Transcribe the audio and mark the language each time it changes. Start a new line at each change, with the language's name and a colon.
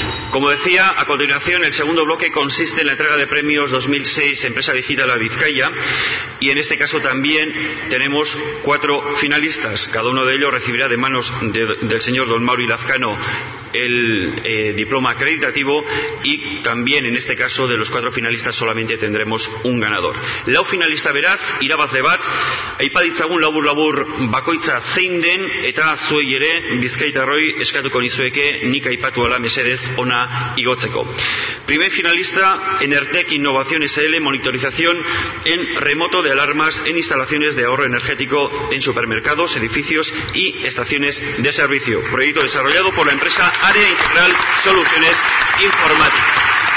Spanish: Como decía, a continuación el segundo bloque consiste en la entrega de premios 2006 Empresa Digitala Bizkaia, y en este caso también tenemos cuatro finalistas. Cada uno de ellos recibirá de manos del señor don Mauri Lazcano el diploma acreditativo, y también en este caso de los cuatro finalistas solamente tendremos un ganador.
Basque: Lau finalista beraz, irabazle bat, aipaditzagun labur-labur bakoitza zein den, eta zuei ere bizkaitarroi eskatuko nizueke nik aipatu ala mesedez ona igotzeko.
Spanish: Primer finalista, Enertec Innovación SL, monitorización en remoto de alarmas en instalaciones de ahorro energético en supermercados, edificios y estaciones de servicio. Proyecto desarrollado por la empresa Área Integral Soluciones Informáticas.